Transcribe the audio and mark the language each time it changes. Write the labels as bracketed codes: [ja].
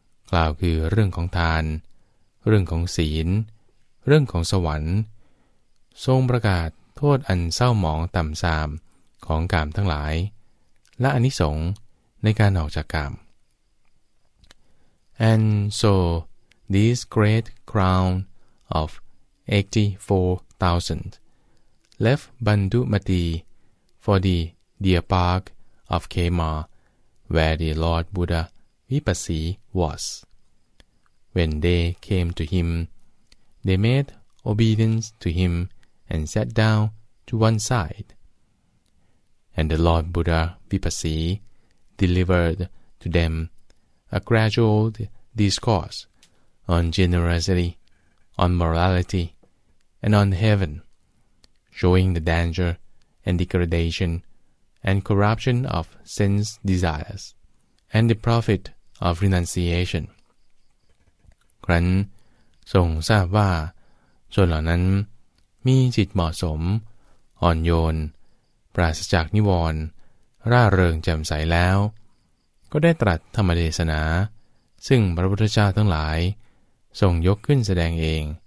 [th] กล่าวคือเรื่องของทานเรื่องของศีลเรื่องของสวรรค์ทรงประกาศโทษอันเศร้าหมองต่ำทรามของกามทั้งหลายและอานิสงส์ในการออกจากกาม [en] And so this great crown of 84,000 left Bandhumati for the dear park of Kema. Where the Lord Buddha Vipassi was. When they came to him, they made obedience to him and sat down to one side. And the Lord Buddha Vipassi delivered to them a gradual discourse on generosity, on morality, and on heaven, showing the danger and degradation and corruption of sense desires. And the profit of renunciation. [th] ครั้นทรงทราบว่าชนเหล่านั้นมีจิตเหมาะสมอ่อนโยนปราศจากนิวรณ์ร่าเริงแจ่มใสแล้วก็ได้ตรัสธรรมเทศนาซึ่งพระพุทธเจ้าทั้งหลายทรงยกขึ้นแสดงเอง